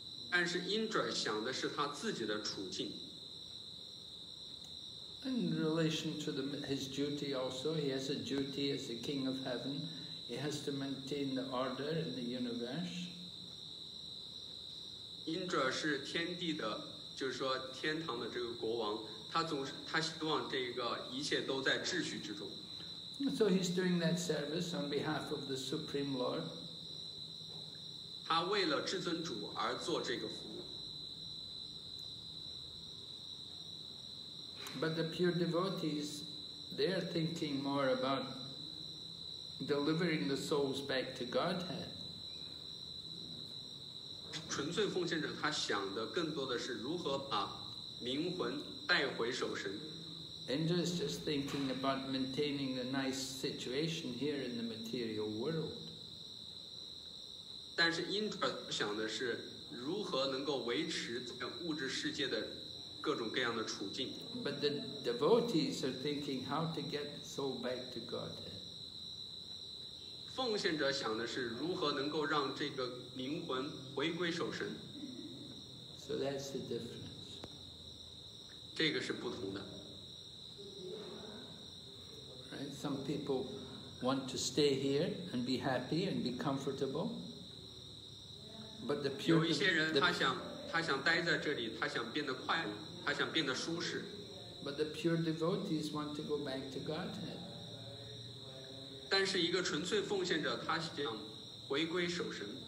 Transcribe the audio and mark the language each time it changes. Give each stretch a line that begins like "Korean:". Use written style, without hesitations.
Chinese: 但是 Indra 想的是他自己的处境。
English: In relation to his duty also, he has a duty as the king of heaven. He has to maintain the order in the universe.
Chinese: Indra 是天地的，就是说天堂的这个国王，他希望这个一切都在秩序之中。
English: So he's doing that service on behalf of the Supreme Lord.
Chinese: 他为了至尊主而做这个服务。
English: But the pure devotees, they're thinking more about delivering the souls back to Godhead.
Chinese: 纯粹奉献者他想的更多的是如何把灵魂带回守神。
English: Indra is just thinking about maintaining a nice situation here in the material world.
Chinese: 但是 Indra 想的是如何能够维持在物质世界的各种各样的处境。
English: But the devotees are thinking how to get the soul back to Godhead.
Chinese: 奉献者想的是如何能够让这个灵魂回归守神。
English: So that's the difference.
Chinese: 这个是不同的。
English: Some people want to stay here and be happy and be comfortable. But the pure
Chinese: 有一些人他想待在这里，他想变得快乐，他想变得舒适。
English: But the pure devotees want to go back to Godhead.
Chinese: 但是一个纯粹奉献者，他想回归守神。